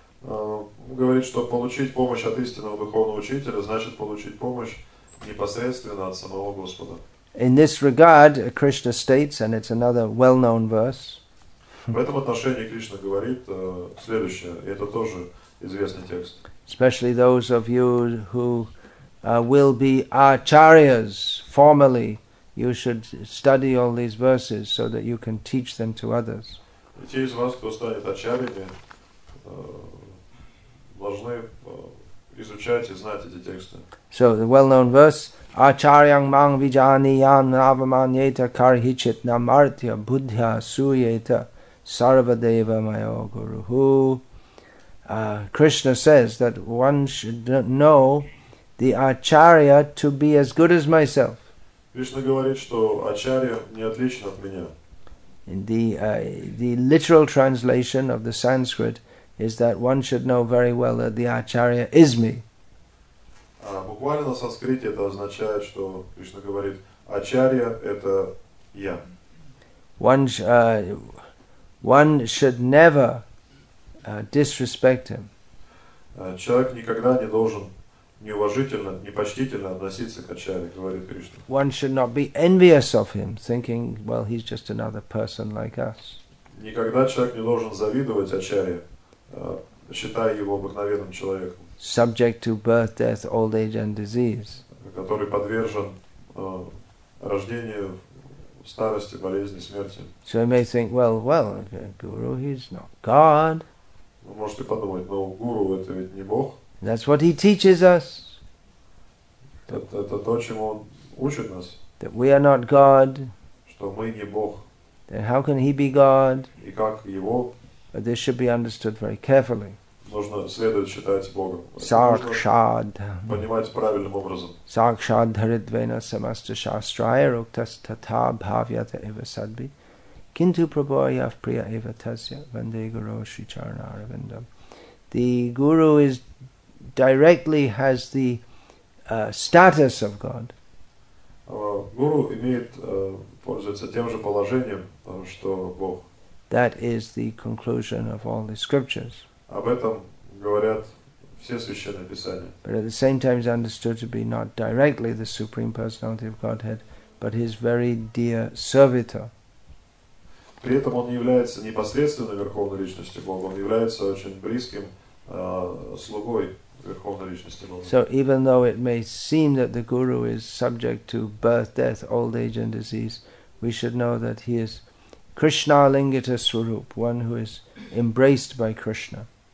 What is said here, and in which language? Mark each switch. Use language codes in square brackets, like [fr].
[ru] Говорит, что получить помощь от истинного духовного учителя значит получить помощь непосредственно от самого Господа. [en] In this regard, Krishna states, and it's another well-known verse, [ru] в этом отношении Кришна говорит следующее, и это тоже известный текст. [en] Especially those of you who will be acharyas formally, you should study all these verses so that you can teach them to others. [ru] И те из вас, кто станет ачарьями, должны изучать и знать эти тексты. [en] So the well-known verse: [sa] Acharyang mang vijaniyan navamanyeta karhichit namartya buddhya suyeta sarvadeva mayo guru. [en] Who Krishna says that one should know the acharya to be as good as myself. [ru] Krishna говорит, что ачарья не отличен от меня. [en] In the literal translation of the Sanskrit is that one should know very well that the acharya is me. [ru] Буквально на санскрите это означает, что Krishna говорит, ачарья это я. [en] One should never disrespect him. [ru] Человек никогда не должен неуважительно, непочтительно относиться к ачарье, говорит Кришна. [en] One should not be envious of him, thinking, well, he's just another person like us. [ru] Никогда человек не должен завидовать ачарье, считая его обыкновенным человеком. [en] Subject to birth, death, old age and disease. [ru] Который подвержен рождению, старости, болезни, смерти. [en] So you may think, well, guru, he's not God. [ru] Вы можете подумать, но гуру это ведь не Бог. [en] That's what he teaches us. [ru] Это то, чему он учит нас. [en] That we are not God. [ru] Что мы не Бог. [en] Then how can he be God? [ru] И как его? [en] But this should be understood very carefully. [ru] нужно следует считать Бога. [sa] Сакшад. [ru] Понимать правильным образом. [sa] Сакшад харидвена самаста шастрая руктас тата бхавьята ива садби. Кинту прабхая прия ива тасья ванде гуру шри чарна аравиндам. [en] The guru is directly has the status of God. [ru] Гуру имеет, пользуется тем же положением, что Бог. [en] That is the conclusion of all the scriptures. [ru] Об этом говорят все священные писания. [en] But at the same time is understood to be not directly the Supreme Personality of Godhead, but his very dear servitor. [ru] При этом он не является непосредственной Верховной Личностью Бога, он является очень близким слугой. [en] So even though it may seem that the guru is subject to birth, death, old age and disease, we should know that he is Krishna Lingita Swarup, one who is embraced by Krishna.